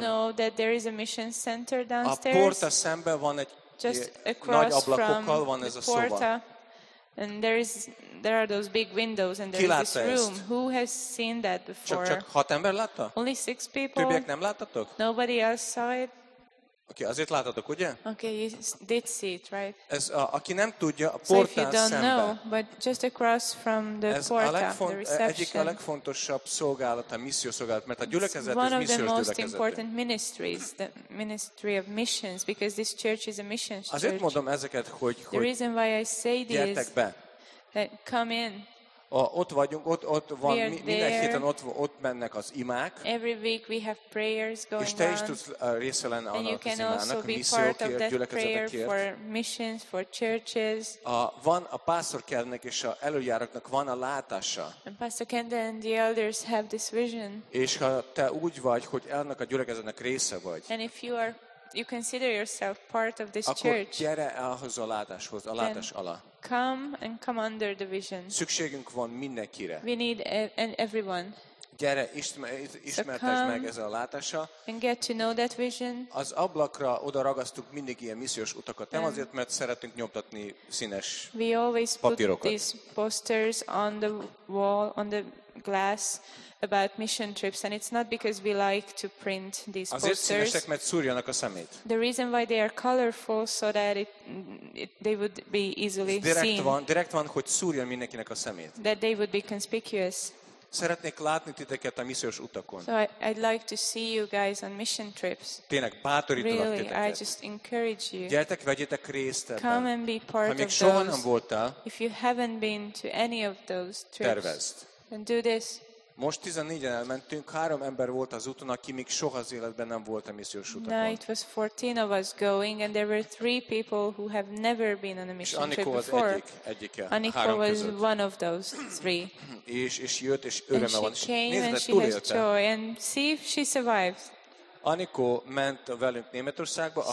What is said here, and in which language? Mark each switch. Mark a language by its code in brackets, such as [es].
[en] Do you know that there is a mission center downstairs? [hu] A porta szembe van egy nagy ablakokkal van ez a szoba. [en] And there are those big windows and there is this room. [hu] Ezt? [en] Who has seen that before? [hu] Csak 6 ember látta? [en] Only 6 people. [hu] Többiek nem láttatok? [en] Nobody else saw it. [hu] Oké, okay, azért láttatok, ugye? [en] Okay, you did see it, right? [hu] Ez aki nem tudja, a portán szembe. [en] So if you don't [hu] szembe, [en] know, but just across from the porta, the reception. [hu] Egyik a legfontosabb szolgálat, a misszió szolgálat, mert a gyülekezet missziós gyülekezet. [en] One of the most important ministries, the ministry of missions, because this church is a missions church. [hu] Azért mondom ezeket, hogy [en] the reason why I say this is that come in. [hu] Ott vagyunk, ott van, minden héten ott mennek az imák. [en] Every week we have prayers going on. [hu] És te is tudsz része lenni annak az imának, a missziókért, gyülekezetekért. [en] For missions, for churches. [hu] Van a pásztor Kennek és a előjáraknak van a látása. [en] And Pastor Kendall and the elders have this vision. [hu] És ha te úgy vagy, hogy ennek a gyülekezetnek része vagy. [en] And if you consider yourself part of this [hu] akkor [en] church. [hu] Akkor gyere ahhoz a látáshoz, a látás alá. [en] Come and come under the vision. [hu] Szükségünk van mindenkire. [en] We need everyone. [hu] Gyere, ismertesd meg ez a látása. [en] And get to know that vision. [hu] Az ablakra oda ragasztuk mindig ilyen missziós utakat. Nem azért, mert szeretünk nyomtatni színes [en] we always [hu] papírokat. [en] Put these posters on the wall, on the glass about mission trips, and it's not because we like to print these [hu] azért [en] posters. [hu] Azért színesek, mert szúrjanak a szemét. [en] The reason why they are colorful so that they would be easily seen. [hu] Direkt van, hogy szúrjon mindenkinek a szemét. [en] That they would be conspicuous. [hu] Szeretnék látni titeket a missziós utakon. [en] So I'd like to see you guys on mission trips. [hu] Tényleg bátorítalak titeket. [en] Really, I just encourage you. [hu] Gyertek, vegyetek részt ebben. [en] Come and be part of those. [hu] Ha még soha nem voltál, [en] if you haven't been to any of those trips, [hu] tervezd. [en] And do this. [hu] Most 14-en elmentünk, 3 ember volt az úton, aki még soha az életben nem volt a missziós utakon. [en] Now it was 14 of us going, and there were 3 people who have never been on a mission trip before. [hu] Anikó [en] was one of those 3. [hu] És jött, és öröme van. [en] And she came, and she has joy, and see if she survives. [hu] Anikó ment velünk Németországba, a